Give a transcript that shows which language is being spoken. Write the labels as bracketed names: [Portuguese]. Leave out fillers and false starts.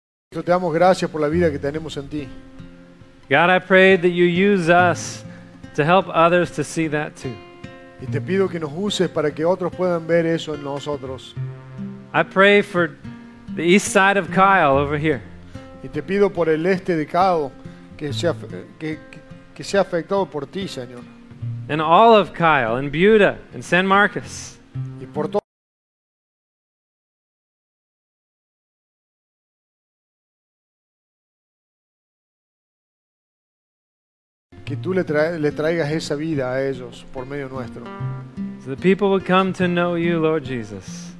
[Spanish] Te damos gracias por la vida que tenemos en ti. [English] God, I pray that you use us to help others to see that too. [Spanish] Y te pido que nos uses para que otros puedan ver eso en nosotros. [English] I pray for the east side of Kyle over here. [Spanish] Y te pido por el este de Kyle que sea afectado por ti, Señor. [English] And all of Kyle and Buda and San Marcos. [Spanish] Y por todo que tú le traigas esa vida a ellos por medio nuestro. [English] So the people would come to know you, Lord Jesus.